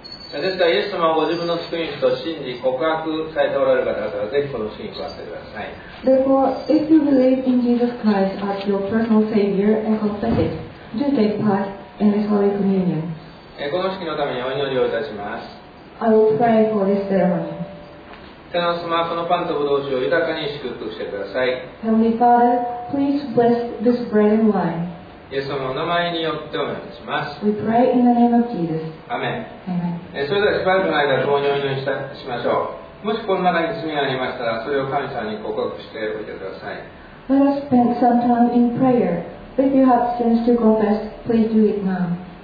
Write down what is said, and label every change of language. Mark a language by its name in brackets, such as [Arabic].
[Japanese] ですから、イエス様をご自分の救い主と信じ、告白されておられる方々は、ぜひこの式に加わってください。 [English] Therefore, if you believe in Jesus Christ as your personal Savior and confess it, do take part in this Holy Communion. [Japanese] この式のためにお祈りをいたします。 [English] I will pray for this ceremony. [Japanese] 天の様、このパンとブドウ酒を豊かに祝福してください。 [English] Heavenly Father, please bless this bread and wine. [Japanese] イエス様の名前によってお願いします。 [English] We pray in the name of Jesus. [Japanese] アメン。 [English] Amen. [Japanese] それではしばらくの間、共にお祈りしましょう。もしこの中に罪がありましたら、それを神様に告白しておいてください。 [English] Let us spend some time in prayer. If you have sins to confess, please do it now.